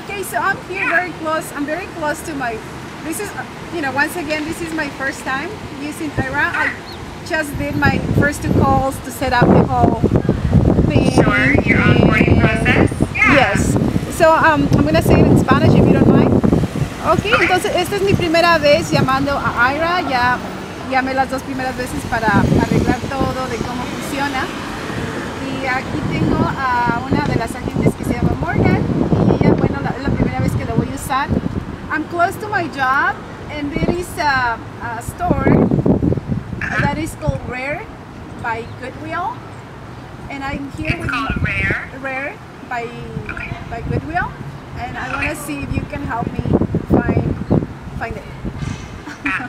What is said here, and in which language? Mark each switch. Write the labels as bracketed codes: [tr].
[en] okay, so I'm here very close. I'm very close to my this is, you know, once again, this is my first time using Aira. I just did my first two calls to set up the whole thing. Sure, your onboarding process. Yeah. Yes. So I'm going to say it in Spanish if you don't mind. [es] Okay, entonces esta es mi primera vez llamando a Aira. Ya llamé las dos primeras veces para arreglar todo de cómo funciona. Y aquí tengo a una de las agentes que se llama Morgan. Y ella, bueno, es la primera vez que lo voy a usar. [en] I'm close to my job, and there is a store that is called Rare by Goodwill. And I'm here it's with called Rare. Rare by, okay. by Goodwill. And okay. I want to see if you can help me find it.